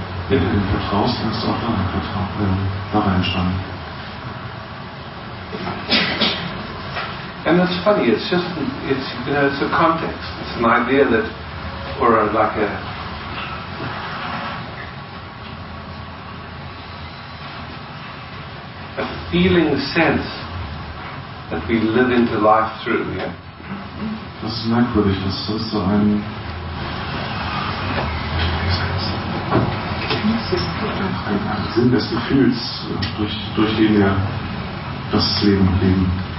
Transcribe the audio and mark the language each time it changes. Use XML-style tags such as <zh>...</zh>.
<de>Wenn du vertraust, kannst du auch da reinsteigen.</de> <en>And it's funny. It's just, it's, you know, it's a context. It's an idea that, or like a, a feeling sense that we live into life through. Yeah.</en> <de>Das ist merkwürdig. Das ist so ein ein Sinn des Gefühls, durch den wir das Leben leben.</de>